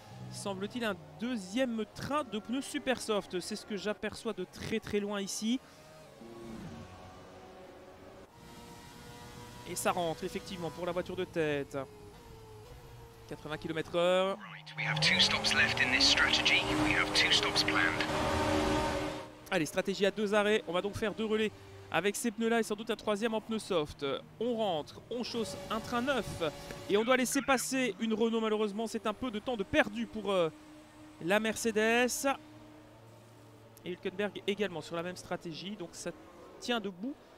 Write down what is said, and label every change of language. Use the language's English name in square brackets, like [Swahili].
[French] Semble-t-il, un deuxième train de pneus super soft. C'est ce que j'aperçois de très, très loin ici. Et ça rentre, effectivement, pour la voiture de tête. 80 km/h. [English] Right, we have two stops left in this strategy. We have two stops planned. [French] Allez, stratégie à deux arrêts, on va donc faire deux relais avec ces pneus-là et sans doute un troisième en pneus soft. On rentre, on chausse un train neuf et on doit laisser passer une Renault malheureusement, c'est un peu de temps de perdu pour la Mercedes. Et Hülkenberg également sur la même stratégie, donc ça tient debout.